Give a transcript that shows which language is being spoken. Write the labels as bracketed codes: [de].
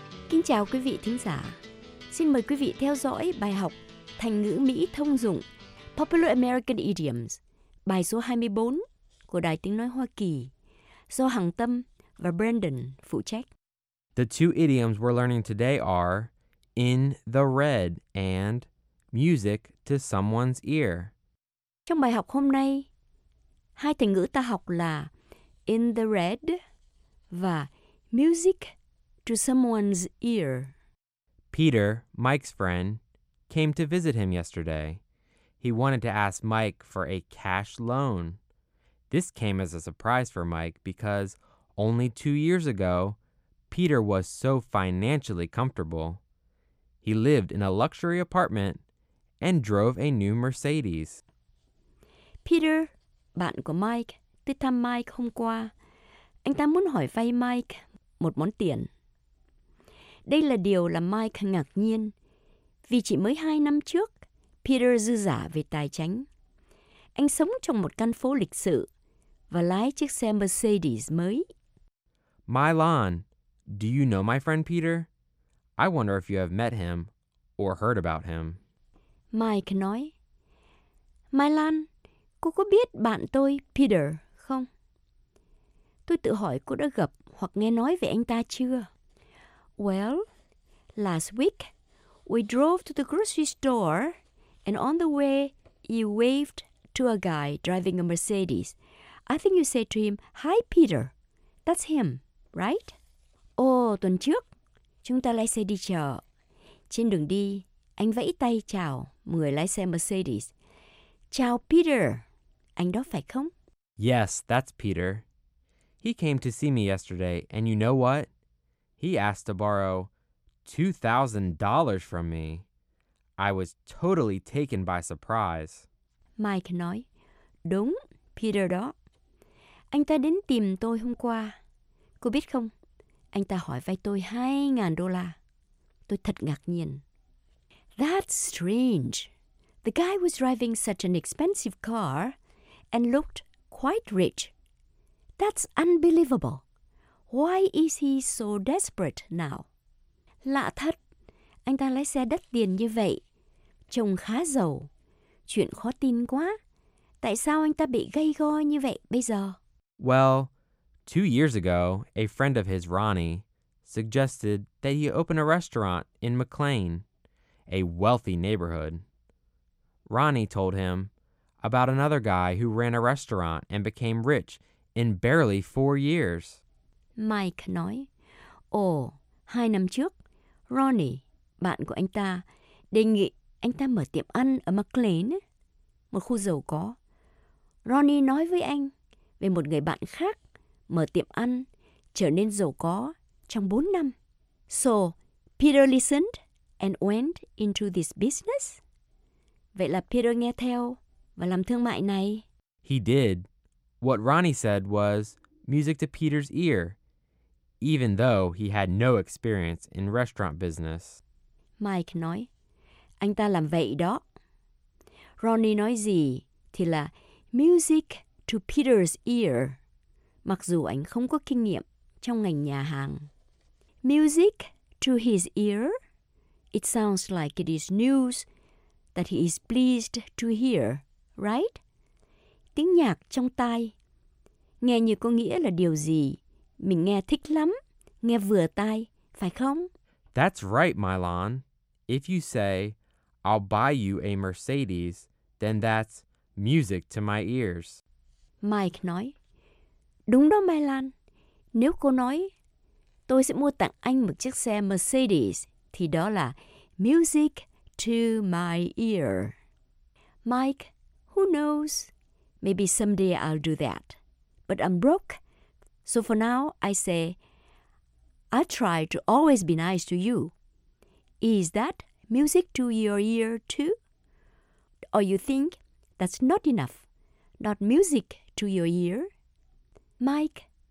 [vi] Kính chào quý vị thính giả. Xin mời quý vị theo dõi bài học thành ngữ Mỹ thông dụng Popular American Idioms, bài số 24 của Đài Tiếng Nói Hoa Kỳ, do Hằng Tâm và Brandon phụ trách. [en] The two idioms we're learning today are in the red and music to someone's ear. [vi] Trong bài học hôm nay, hai thành ngữ ta học là in the red và music to someone's ear. [en] Peter, Mike's friend, came to visit him yesterday. He wanted to ask Mike for a cash loan. This came as a surprise for Mike because only 2 years ago, Peter was so financially comfortable. He lived in a luxury apartment and drove a new Mercedes. [vi] Peter, bạn của Mike, tới thăm Mike hôm qua. Anh ta muốn hỏi vay Mike một món tiền. Đây là điều làm Mike ngạc nhiên, vì chỉ mới 2 năm trước, Peter dư giả về tài chính. Anh sống trong một căn phố lịch sự và lái chiếc xe Mercedes mới. [en] Milan, do you know my friend Peter? I wonder if you have met him or heard about him. [vi] Mike nói, Milan, cô có biết bạn tôi Peter không? Tôi tự hỏi cô đã gặp hoặc nghe nói về anh ta chưa? [en] Well, last week, we drove to the grocery store, and on the way, you waved to a guy driving a Mercedes. I think you said to him, hi, Peter. That's him, right? [vi] Oh, tuần trước, chúng ta lái xe đi chợ. Trên đường đi, anh vẫy tay chào người lái xe Mercedes. Chào, Peter. Anh đó phải không? [en] Yes, that's Peter. He came to see me yesterday, and you know what? He asked to borrow $2,000 from me. I was totally taken by surprise. [vi] Mike nói, đúng, Peter đó. Anh ta đến tìm tôi hôm qua. Cô biết không, anh ta hỏi vay tôi $2,000. Tôi thật ngạc nhiên. [en] That's strange. The guy was driving such an expensive car and looked quite rich. That's unbelievable. Why is he so desperate now? [vi] Lạ thật, anh ta lái xe đắt tiền như vậy. Trông khá giàu. Chuyện khó tin quá. Tại sao anh ta bị gay go như vậy bây giờ? [en] Well, 2 years ago, a friend of his, Ronnie, suggested that he open a restaurant in McLean, a wealthy neighborhood. Ronnie told him about another guy who ran a restaurant and became rich in barely 4 years. [vi] Mike nói, ồ, 2 năm trước, Ronnie, bạn của anh ta, đề nghị anh ta mở tiệm ăn ở McLean, một khu giàu có. Ronnie nói với anh về một người bạn khác mở tiệm ăn, trở nên giàu có trong 4 năm. [en] So, Peter listened and went into this business? [vi] Vậy là Peter nghe theo và làm thương mại này. [en] He did. What Ronnie said was music to Peter's ear, even though he had no experience in restaurant business. [vi] Mike nói, anh ta làm vậy đó. Ronnie nói gì thì là music to Peter's ear, mặc dù anh không có kinh nghiệm trong ngành nhà hàng. [en] Music to his ear? It sounds like it is news that he is pleased to hear, right? [vi] Tiếng nhạc trong tai, nghe như có nghĩa là điều gì mình nghe thích lắm, nghe vừa tai, phải không? [en] That's right, Milan. If you say, I'll buy you a Mercedes, then that's music to my ears. [vi] Mike nói, đúng đó, Milan. Nếu cô nói, tôi sẽ mua tặng anh một chiếc xe Mercedes, thì đó là music to my ear. [en] Mike, who knows? Maybe someday I'll do that. But I'm broke. So for now, I say, I try to always be nice to you. Is that music to your ear too? Or you think that's not enough, not music to your ear? Mike,